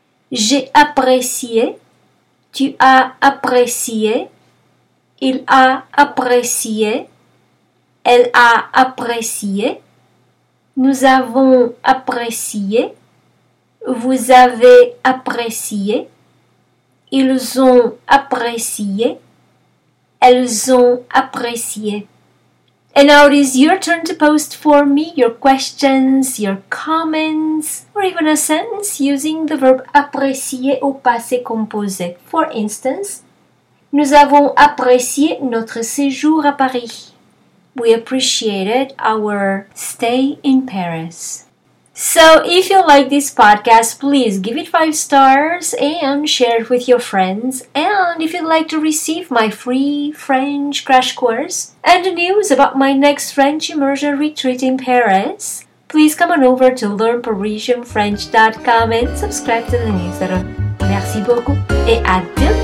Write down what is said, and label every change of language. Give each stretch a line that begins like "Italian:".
French: J'ai apprécié, tu as apprécié, il a apprécié, elle a apprécié, nous avons apprécié, vous avez apprécié, ils ont apprécié, elles ont apprécié.
English: And now it is your turn to post for me your questions, your comments, or even a sentence using the verb apprécier
French: au passé composé.
English: For instance,
French: nous avons apprécié notre séjour à Paris.
English: We appreciated our stay in Paris. So, if you like this podcast, please give it 5 stars and share it with your friends. And if you'd like to receive my free French crash course and news about my next French immersion retreat in Paris, please come on over to learnparisianfrench.com and subscribe to the newsletter.
French: Merci beaucoup et à bientôt.